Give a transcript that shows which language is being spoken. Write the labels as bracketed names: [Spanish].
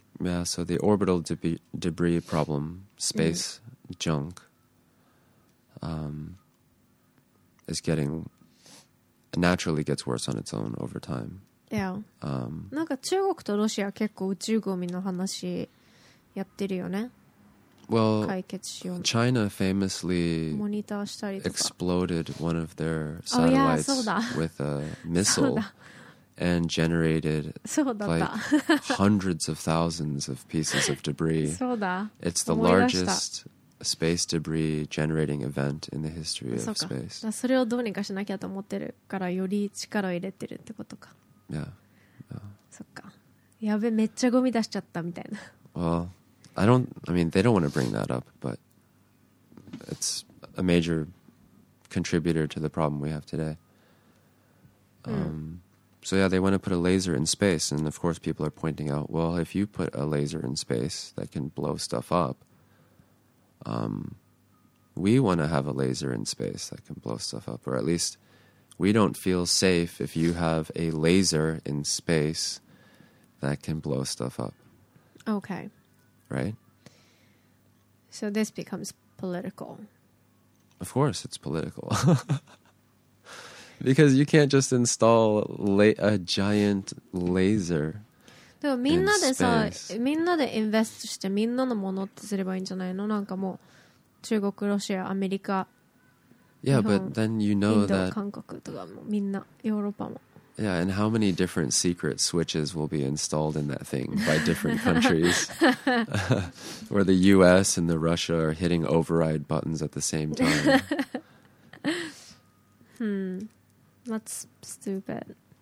[English] Yeah, so the orbital debris problem, space junk, is getting, naturally gets worse on its own over time. Yeah. [Japanese] なんか中国とロシア結構宇宙ゴミの話やってるよね。 [English] Well, China famously exploded one of their satellites with a missile and generated like hundreds of thousands of pieces of debris. It's the largest space debris generating event in the history of space. [Japanese] それをどうにかしなきゃと思ってるからより力を入れてるってことか。やべ、めっちゃゴミ出しちゃったみたいな。 [English] Well,I mean, they don't want to bring that up, but it's a major contributor to the problem we have today. So yeah, they want to put a laser in space, and of course people are pointing out, well, if you put a laser in space that can blow stuff up, we want to have a laser in space that can blow stuff up, or at least we don't feel safe if you have a laser in space that can blow stuff up. Okay. Right. So this becomes political. Of course, it's political. Because you can't just install a giant laser. [Japanese] でもみんなでさ、みんなでインベストしてみんなのものってすればいいんじゃないの？なんかもう中国、ロシア、アメリカ、日本、 [English] yeah, but then you know that [Japanese] 韓国とかもみんな、ヨーロッパも。 [English] Yeah, and how many different secret switches will be installed in that thing by different countries? Where the US and the Russia are hitting override buttons at the same time. That's stupid.